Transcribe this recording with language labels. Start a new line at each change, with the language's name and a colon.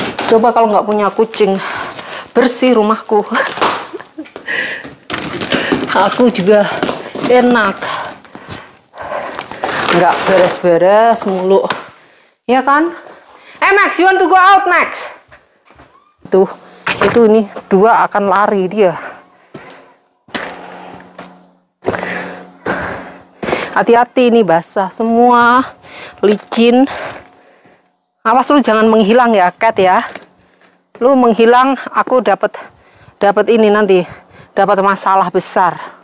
Indonesian: Coba kalau nggak punya kucing, bersih rumahku. Aku juga enak, nggak beres-beres mulu, ya kan?
English: Hey Max, you want to go out, Max?
Indonesian: Tuh, itu ini dua akan lari dia. Hati-hati ini basah semua, licin. Awas lu jangan menghilang ya, Cat ya. Lu menghilang, aku dapat ini nanti, dapat masalah besar.